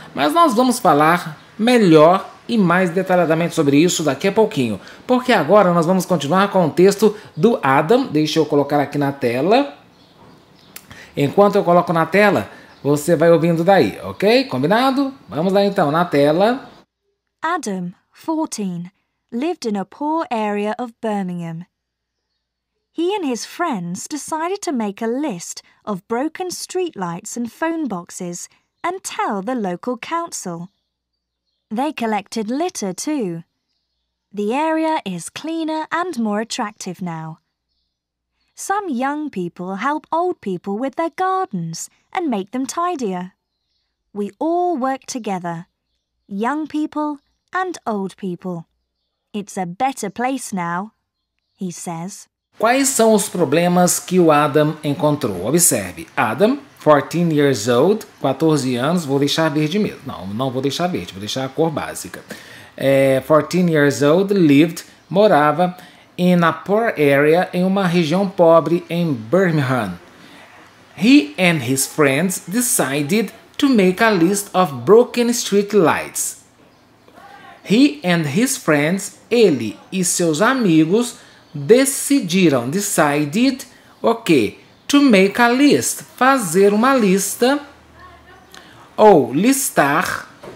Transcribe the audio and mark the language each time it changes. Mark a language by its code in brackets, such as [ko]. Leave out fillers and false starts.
[pt] Mas nós vamos falar melhor e mais detalhadamente sobre isso daqui a pouquinho, porque agora nós vamos continuar com o texto do Adam. Deixa eu colocar aqui na tela. Enquanto eu coloco na tela, você vai ouvindo daí, ok? Combinado? Vamos lá então, na tela. [en] Adam, 14. Lived in a poor area of Birmingham. He and his friends decided to make a list of broken streetlights and phone boxes and tell the local council. They collected litter too. The area is cleaner and more attractive now. Some young people help old people with their gardens and make them tidier. We all work together, young people and old people. It's a better place now, he says. [pt] Quais são os problemas que o Adam encontrou? Observe. Adam, [en] 14 years old, [pt] 14 anos, vou deixar verde mesmo. Não, não vou deixar verde, vou deixar a cor básica. [en] 14 years old, [pt] lived, morava [en] in a poor area, [pt] em uma região pobre em Birmingham. [en] He and his friends decided to make a list of broken street lights. He and his friends, [pt] ele e seus amigos, decidiram, decided, ok, [en] to make a list, [pt] fazer uma lista, ou listar,